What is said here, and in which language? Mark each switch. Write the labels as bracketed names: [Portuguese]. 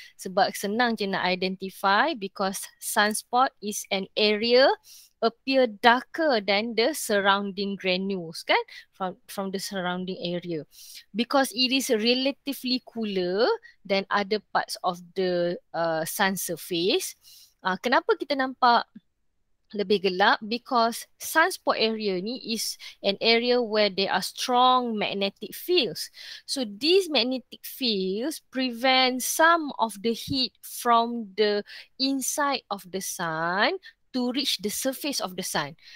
[Malay] Sebab senang je nak identify, [English] because sunspot is an area appear darker than the surrounding granules kan, from the surrounding area. Because it is relatively cooler than other parts of the sun surface. [Malay] Kenapa kita nampak lebih gelap? [English] Because sunspot area ni is an area where there are strong magnetic fields. So these magnetic fields prevent some of the heat from the inside of the sun to reach the surface of the sun.